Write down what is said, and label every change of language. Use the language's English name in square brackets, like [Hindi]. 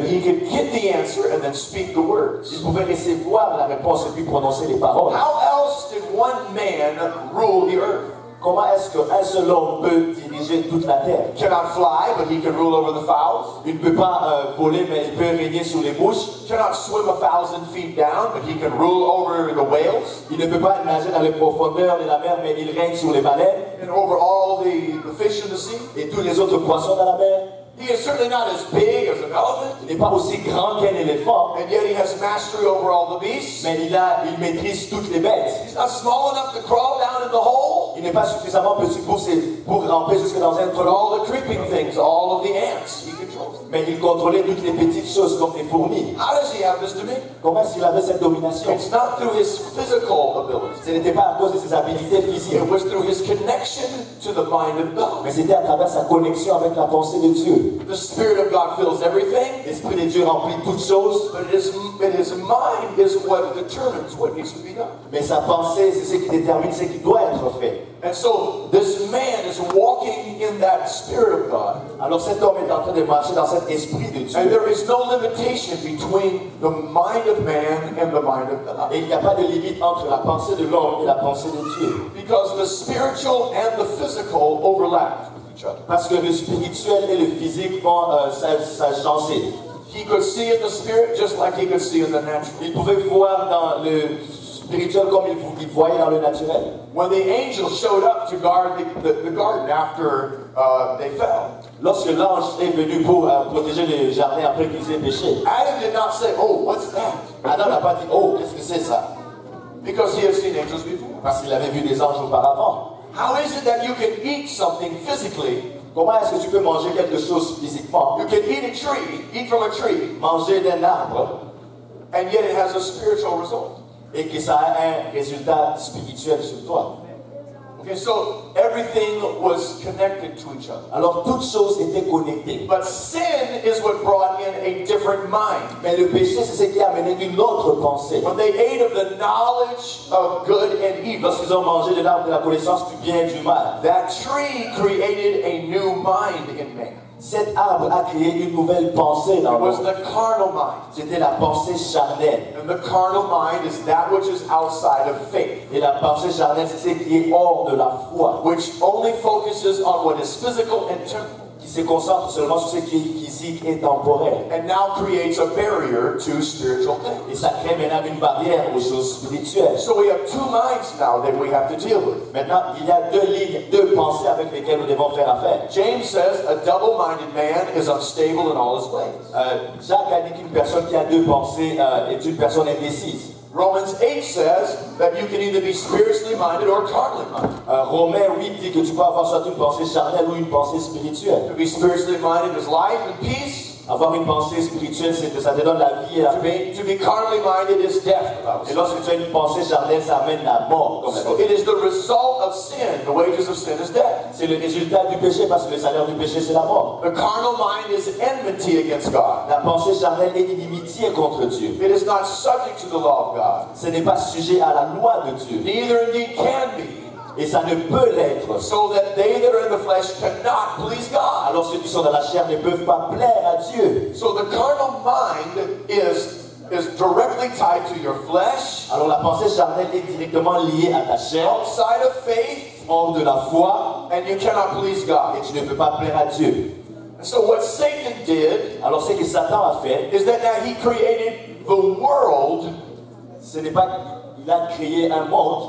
[English] He could get the answer and then speak the words. [French] Il pouvait recevoir la réponse et puis prononcer les paroles. [English] How else did one man rule the earth? [French] Comment est-ce qu'un seul homme peut diriger toute la terre? [English] Cannot fly, but he can rule over the fowls. [French] Il ne peut pas voler, mais il peut régner sur les mouches. [English] Cannot swim 1,000 feet down, but he can rule over the whales. [French] Il ne peut pas nager dans les profondeurs de la mer, mais il règne sur les baleines. [English] And over all the fish in the sea. [French] Et tous les autres poissons dans la mer. [English] He is certainly not as big as an elephant. [French] Il n'est pas aussi grand qu'un éléphant. [English] And yet he has mastery over all the beasts. [French] Mais il maîtrise toutes les bêtes. [English] He's not small enough to crawl down in the hole. [French] Il n'est pas suffisamment petit pour ramper jusque dans un trou. [English] All the creeping things, all of the ants, he controls them. [French] Mais il contrôlait toutes les petites choses comme les fourmis. [English] How does he have this dominion? [French] Comment est-ce qu'il avait cette domination? [English] It's not through his physical ability. [French] Ce n'était pas à cause de ses habiletés physiques. [English] It was through his connection to the mind of God. [French] Mais c'était à travers sa connexion avec la pensée de Dieu. [English] The Spirit of God fills everything. [French] L'Esprit de Dieu remplit toutes choses. [English] But his mind is what determines what needs to be done. [French] Mais sa pensée, c'est ce qui détermine ce qui doit être fait. [English] And so this man is walking in that Spirit of God. [French] Alors cet homme est en train de marcher dans cet esprit de Dieu. [English] And there is no limitation between the mind of man and the mind of God. [French] Et il n'y a pas de limite entre la pensée de l'homme et la pensée de Dieu. [English] Because the spiritual and the physical overlap with each other. [French] Parce que le spirituel et le physique vont s'agencer. [English] He could see in the spirit just like he could see in the natural. [French] Il pouvait voir dans le spirituel comme il voyait dans le naturel. [English] When the angel showed up to guard the garden after they fell. [French] Lorsque l'ange est venu pour protéger le jardin après qu'ils aient péché. [English] Adam did not say, oh, what's that? [French] Adam n'a pas dit, oh, qu'est-ce que c'est ça? [English] Because he had seen angels before. [French] Parce qu'il avait vu des anges auparavant. [English] How is it that you can eat something physically? [French] Comment est-ce que tu peux manger quelque chose physiquement? [English] You can eat a tree, eat from a tree. [French] Manger d'un arbre. [English] And yet it has a spiritual result. [French] Et que ça a un résultat spirituel sur toi. [English] Okay, so everything was connected to each other. [French] Alors toutes choses étaient connectées. [English] But sin is what brought in a different mind. [French] Mais le péché, c'est ce qui a amené une autre pensée. [English] When they ate of the knowledge of good and evil. [French] Lorsqu'ils ont mangé de l'arbre de la connaissance du bien et du mal. [English] That tree created a new mind in man. [French] Cet arbre a créé une nouvelle pensée dans l'homme. [English] It was the carnal mind. [French] C'était la pensée charnelle. [English] And the carnal mind is that which is outside of faith. [French] Et la pensée charnelle, c'est ce qui est hors de la foi. [English] Which only focuses on what is physical and temporal. [French] Qui se concentre seulement sur ce qui est physique et temporel. [English] And now creates a barrier to spiritual things. [French] Et ça crée maintenant une barrière aux choses spirituelles. [English] So we have two minds now that we have to deal with. [French] Maintenant, il y a deux lignes, deux pensées avec lesquelles nous devons faire affaire. [English] James says a double-minded man is unstable in all his ways. [French] Jacques a dit qu'une personne qui a deux pensées est une personne indécise. [English] Romans 8 says that you can either be spiritually minded or carnally minded. [French] Romains 8 dit que tu peux avoir soit une pensée charnelle ou une pensée spirituelle. [English] To be spiritually minded is life and peace. [French] Avoir une pensée spirituelle, c'est que ça te donne la vie et la paix. [English] To be carnally minded is death. [French] Et lorsque tu as une pensée charnelle, ça amène la mort. [English] So it is the result of sin. The wages of sin is death. [French] C'est le résultat du péché parce que le salaire du péché, c'est la mort. [English] The carnal mind is enmity against God. [French] La pensée charnelle est inimitié contre Dieu. [English] It is not subject to the law of God. [French] Ce n'est pas sujet à la loi de Dieu. [English] Neither indeed can be. [French] Et ça ne peut l'être. [English] So that they that are in the flesh cannot please God. [French] Alors ceux qui sont dans la chair ne peuvent pas plaire à Dieu. [English] So the carnal mind is directly tied to your flesh. [French] Alors la pensée charnelle est directement liée à ta chair. [English] Outside of faith, [French] hors de la foi, [English] and you cannot please God. [French] Et tu ne peux pas plaire à Dieu. [English] So what Satan did, [French] alors ce que Satan a fait, [English] is that now he created the world. [French] Ce n'est pas il a créé un monde,